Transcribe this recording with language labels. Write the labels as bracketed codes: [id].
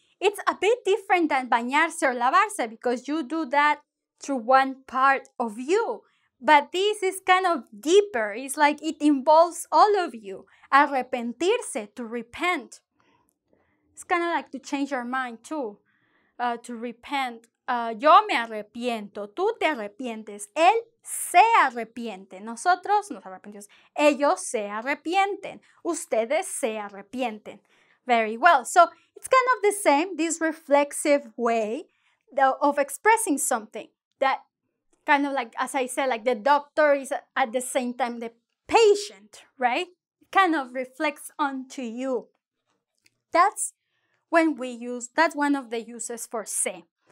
[en] It's a bit different than bañarse or lavarse because you do that to one part of you. But this is kind of deeper. It's like it involves all of you. Arrepentirse, to repent. It's kind of like to change your mind too, to repent. [es] Yo me arrepiento, tú te arrepientes, él se arrepiente, nosotros nos arrepentimos, ellos se arrepienten, ustedes se arrepienten. [en] Very well. So it's kind of the same, this reflexive way of expressing something that kind of like, as I said, like the doctor is at the same time the patient, right? Kind of reflects onto you. That's one of the uses for se.